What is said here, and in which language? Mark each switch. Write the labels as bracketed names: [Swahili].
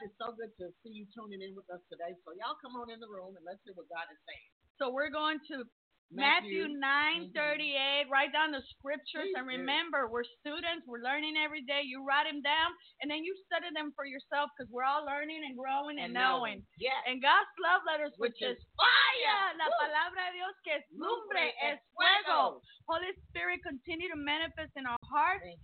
[English] It's so good to see you tuning in with us today. So y'all come on in the room and let's see what God is saying. So we're going to Matthew 9:38. Mm-hmm. Write down the scriptures. Please and remember, do. We're students. We're learning every day. You write them down and then you study them for yourself, because we're all learning and growing and knowing. Yes. And God's love letters, which is fire. Yeah. [Spanish] La palabra de Dios que es lumbre es fuego. [English] Holy Spirit, continue to manifest in our hearts.